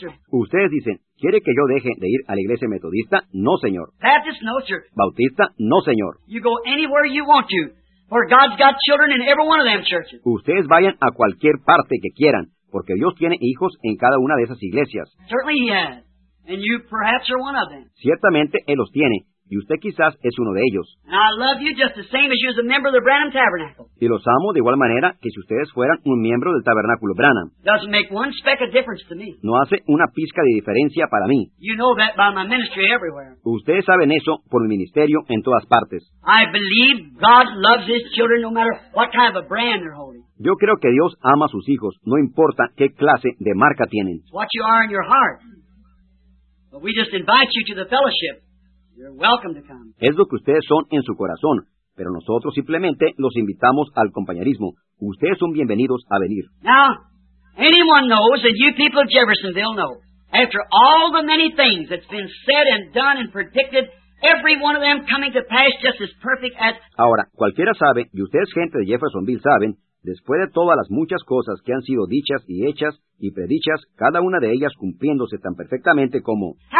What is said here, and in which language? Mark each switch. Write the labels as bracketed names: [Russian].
[Spanish] Ustedes dicen, ¿quiere que yo deje de ir a la iglesia metodista? No, señor. [English] Baptist, no, sir. [Spanish] Bautista, no, señor. [English] You go anywhere you want to. For God's got children in every one of them churches. [Spanish] Ustedes vayan a cualquier parte que quieran, porque Dios tiene hijos en cada una de esas iglesias. [English] Certainly he has, and you perhaps are one of them. [Spanish] Ciertamente él los tiene, y usted quizás es uno de ellos. [English] And I love you just the same as you as a member of the Branham Tabernacle. [Spanish] Y los amo de igual manera que si ustedes fueran un miembro del Tabernáculo Branham. [English] Doesn't make one speck of difference to me. [Spanish] No hace una pizca de diferencia para mí. [English] You know that by my ministry everywhere. [Spanish] Ustedes saben eso por mi ministerio en todas partes. [English] I believe God loves his children no matter what kind of a brand they're holding. [Spanish] Yo creo que Dios ama a sus hijos, no importa qué clase de marca tienen. [English] It's what you are in your heart. But we just invite you to the fellowship. You're welcome to come. [Spanish] Es lo que ustedes son en su corazón, pero nosotros simplemente los invitamos al compañerismo. Ustedes son bienvenidos a venir. [English] Now, anyone knows, and you people of Jeffersonville know, after all the many things that's been said and done and predicted, every one of them coming to pass just as perfect as... [Spanish] Ahora, cualquiera sabe, y ustedes gente de Jeffersonville saben, después de todas las muchas cosas que han sido dichas y hechas y predichas, cada una de ellas cumpliéndose tan perfectamente como...